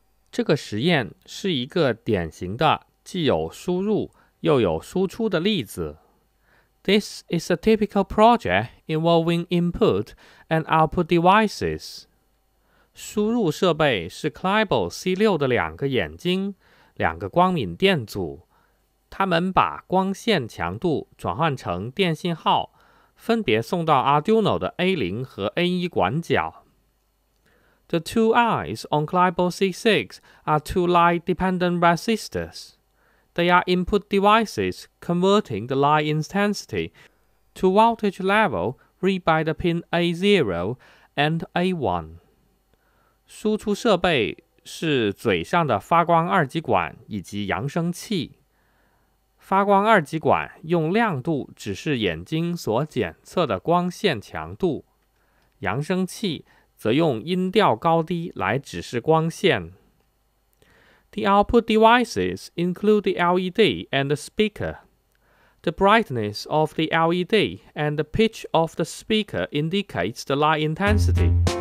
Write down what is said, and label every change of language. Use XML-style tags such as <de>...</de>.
<zh>这个实验是一个典型的既有输入又有输出的例子。</zh> <en>This is a typical project involving input and output devices.</en> <zh>输入设备是 Klebold C6 的两个眼睛，两个光敏电阻。它们把光线强度转换成电信号，分别送到 Arduino 的 A0 和 A1 管角。</zh> <en>The two eyes on Klebold C6 are two light-dependent resistors. They are input devices converting the light intensity to voltage level read by the pin A0 and A1.</en> <zh>输出设备是嘴上的发光二极管以及扬声器。发光二极管用亮度指示眼睛所检测的光线强度，扬声器则用音调高低来指示光线。</zh> <en>The output devices include the LED and the speaker. The brightness of the LED and the pitch of the speaker indicates the light intensity.</en>